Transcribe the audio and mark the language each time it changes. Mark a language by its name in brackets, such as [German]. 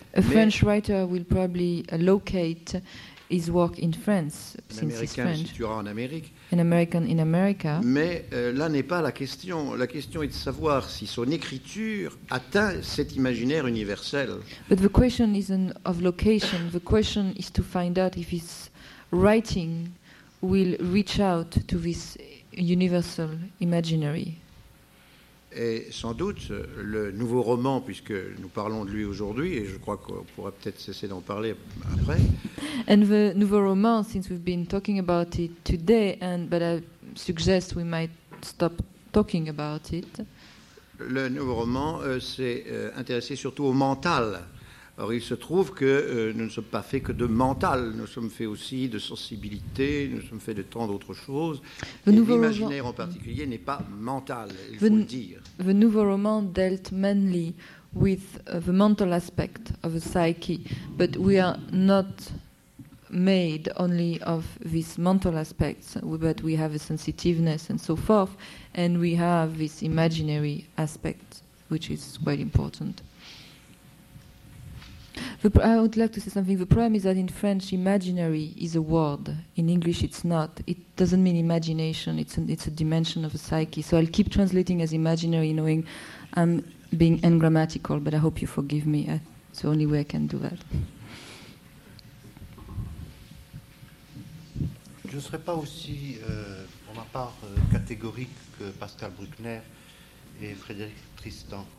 [English] A French writer will probably locate his work in France, since he's French. [French] Un Américain situera en Amérique. [English] An American in America. [French] Mais là n'est pas la question. La question est de savoir si son écriture atteint cet imaginaire universel. [English] But the question isn't of location. The question is to find out if his writing will reach out to this universal imaginary. [French] Et sans doute, le nouveau roman, puisque nous parlons de lui aujourd'hui, et je crois qu'on pourrait peut-être cesser d'en parler après. [English] And the nouveau roman, since we've been talking about it today, but I suggest we might stop talking about it. [French] Le nouveau roman s'est intéressé surtout au mental. Alors il se trouve que nous ne sommes pas faits que de mental, nous sommes faits aussi de sensibilité, nous sommes faits de tant d'autres choses. Et l'imaginaire en particulier n'est pas mental, il faut le dire. [English] The nouveau roman dealt mainly with the mental aspect of the psyche, but we are not made only of these mental aspects, but we have a sensitiveness and so forth, and we have this imaginary aspect, which is quite important. I would like to say something. The problem is that in French, imaginary is a word. In English, it's not. It doesn't mean imagination. It's a dimension of a psyche. So I'll keep translating as imaginary, knowing I'm being ungrammatical, but I hope you forgive me. It's the only way I can do that. [French] Je ne serais pas aussi, pour ma part, catégorique que Pascal Bruckner et Frédéric Tristan.